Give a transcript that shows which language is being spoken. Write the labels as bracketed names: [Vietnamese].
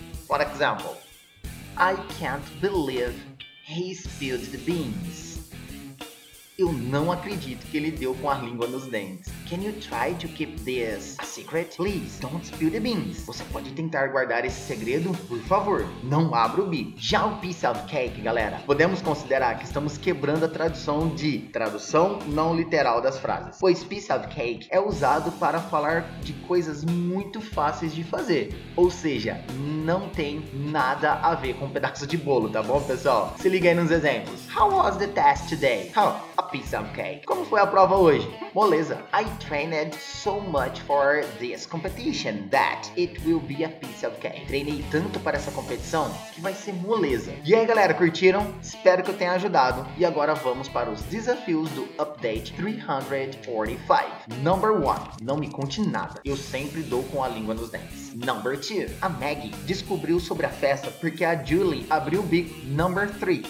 [English] For example, I can't believe he spilled the beans. [Portuguese] Eu não acredito que ele deu com a língua nos dentes. [English] Can you try to keep this a secret? Please, don't spill the beans. [Portuguese] Você pode tentar guardar esse segredo? Por favor, não abra o bico. Já o [English] piece of cake, [Portuguese] galera. Podemos considerar que estamos quebrando a tradução de tradução não literal das frases. Pois [English] piece of cake [Portuguese] é usado para falar de coisas muito fáceis de fazer. Ou seja, não tem nada a ver com um pedaço de bolo, tá bom, pessoal? Se liga aí nos exemplos. [English] How was the test today? A piece of cake. [Portuguese] Como foi a prova hoje? Moleza. [English] I trained so much for this competition that it will be a piece of cake. [Portuguese] Treinei tanto para essa competição que vai ser moleza. E aí, galera, curtiram? Espero que eu tenha ajudado. E agora vamos para os desafios do Update 345. [English] Number 1. [Portuguese] Não me conte nada. Eu sempre dou com a língua nos dentes. [English] Number 2. [Portuguese] A Maggy descobriu sobre a festa porque a Julie abriu o bico. [English] Number 3.